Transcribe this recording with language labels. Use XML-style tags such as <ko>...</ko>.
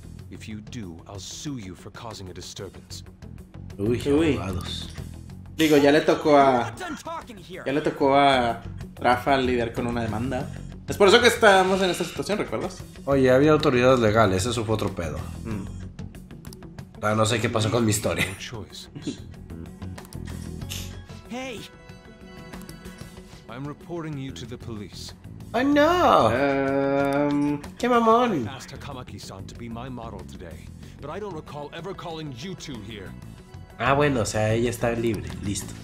<en>If you do, I'll sue you for causing a disturbance.</en> <es>Uy, abogados. Digo, ya le tocó a Rafa lidiar con una demanda. Es por eso que estamos en esta situación, ¿recuerdas? Oye, había autoridades legales, ese fue otro pedo. No sé qué pasó con mi historia.</es> <en>Hey. I'm reporting you to the police.</en> <es>Oh no. Qué mamón.</es> <en>I asked Takamaki-san to be my model today, but I don't recall ever calling you two here.</en> <es>Ah, bueno, o sea, ella está libre, listo.</es>